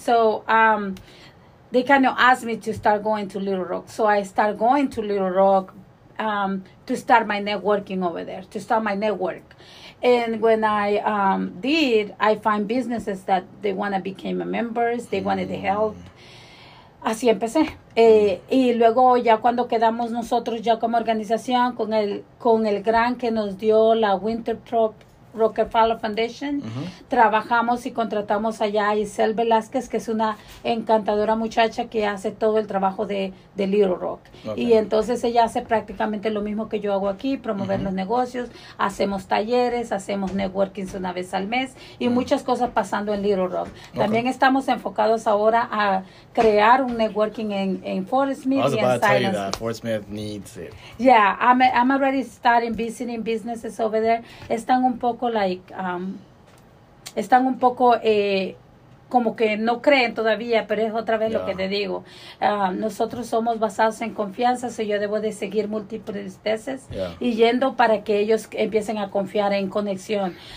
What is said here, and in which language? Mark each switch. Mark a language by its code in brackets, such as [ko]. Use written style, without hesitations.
[en] So they kind of asked me to start going to Little Rock. So I started going to Little Rock to start my networking over there, to start my network. And when I did, I find businesses that they want to become a members. They wanted the help. [es] Así empecé. Y luego ya cuando quedamos nosotros ya como organización con el grant que nos dio la Winthrop Rockefeller Foundation, trabajamos y contratamos allá a Isel Velázquez, que es una encantadora muchacha que hace todo el trabajo de Little Rock. [en] Okay. [es] Y entonces ella hace prácticamente lo mismo que yo hago aquí, promover los negocios, hacemos talleres, hacemos networking una vez al mes y muchas cosas pasando en Little Rock. [en] Okay. [es] También estamos enfocados ahora a crear un networking en Fort Smith. [en] I was about to tell you that. Fort Smith needs it. Yeah, I'm already starting visiting businesses over there. [es] Están un poco están un poco como que no creen todavía, pero es otra vez lo que te digo. Nosotros somos basados en confianza, so yo debo de seguir múltiples veces y yendo para que ellos empiecen a confiar en conexión.